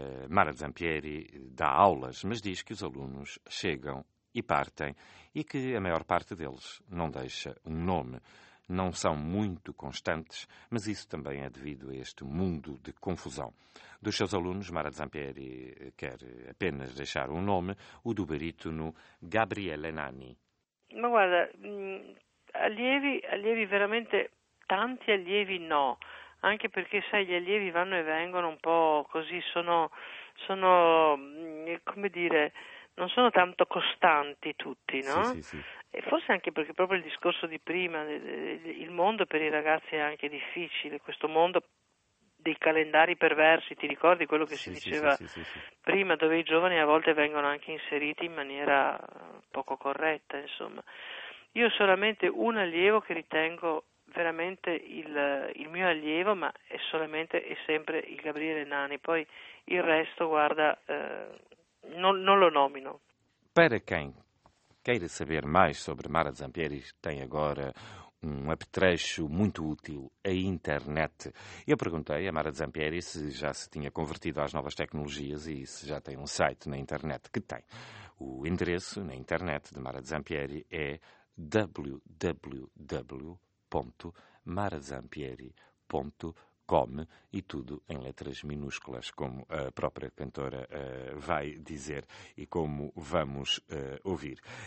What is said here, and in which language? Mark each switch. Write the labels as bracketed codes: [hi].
[pt] Mara Zampieri dá aulas, mas diz que os alunos chegam e partem e que a maior parte deles não deixa um nome. Não são muito constantes, mas isso também é devido a este mundo de confusão. Dos seus alunos, Mara Zampieri quer apenas deixar um nome, o do barítono Gabriele Nani. [it] Ma guarda, allievi veramente, tanti allievi no, anche perché sai, gli allievi vanno e vengono un po' così, sono come dire, non sono tanto costanti tutti, no? Sì, sì, sì. E forse anche perché proprio il discorso di prima, il mondo per i ragazzi è anche difficile, questo mondo dei calendari perversi, ti ricordi quello che si diceva prima, dove i giovani a volte vengono anche inseriti in maniera poco corretta, insomma. Io solamente un allievo che ritengo veramente il mio allievo, ma è solamente e sempre il Gabriele Nani, poi il resto, guarda, non lo nomino. Perché? [pt] Queira saber mais sobre Mara Zampieri, tem agora um apetrecho muito útil, a internet. Eu perguntei a Mara Zampieri se já se tinha convertido às novas tecnologias e se já tem um site na internet, que tem. O endereço na internet de Mara Zampieri é www.marazampieri.com e tudo em letras minúsculas, como a própria cantora vai dizer e como vamos ouvir.